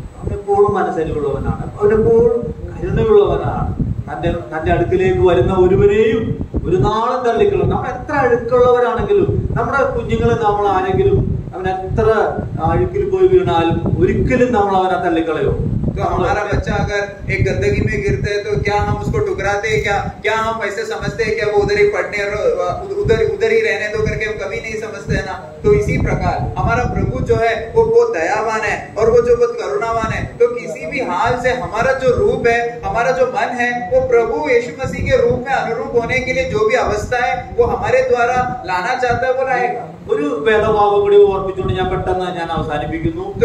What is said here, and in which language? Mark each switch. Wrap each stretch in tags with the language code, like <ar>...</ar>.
<ml>അവനെപ്പോഴും മനസ്സരിവുള്ളവനാണ് അവനെപ്പോഴും കരുണയുള്ളവനാണ് തന്റെ അടുക്കിലേക്ക് വരുന്ന ഒരുവരെയും ഒരു നാളും തള്ളിക്കുള്ള നമ്മൾ എത്ര അഴുക്കുള്ളവരാണെങ്കിലും നമ്മുടെ കുഞ്ഞുങ്ങളെ നമ്മൾ ആരെങ്കിലും അവനെത്ര അഴുക്കിൽ പോയി വീണാലും ഒരിക്കലും നമ്മൾ അവനെ തള്ളിക്കളയോ।</ml> <hi>तो हमारा बच्चा अगर एक गंदगी में गिरते है तो क्या हम उसको टुकराते हैं क्या हम ऐसे समझते हैं क्या वो उधर ही पढ़ने उधर उधर ही रहने दो करके हम कभी नहीं समझते है ना। तो इसी प्रकार हमारा प्रभु जो है वो बहुत दयावान है और वो जो बहुत करुणावान है तो किसी भी हाल से हमारा जो रूप है, हमारा जो मन है, वो प्रभु यीशु मसीह के रूप में अनुरूप होने के लिए जो भी अवस्था है वो हमारे द्वारा लाना चाहता है वो लाएगा।</hi> <ml>ഒരു വേദഭാഗം കൂടി ഓർപ്പിച്ചുകൊണ്ട് ഞാൻ പെട്ടെന്ന് ഞാൻ അവസാനിപ്പിക്കുന്നു.</ml>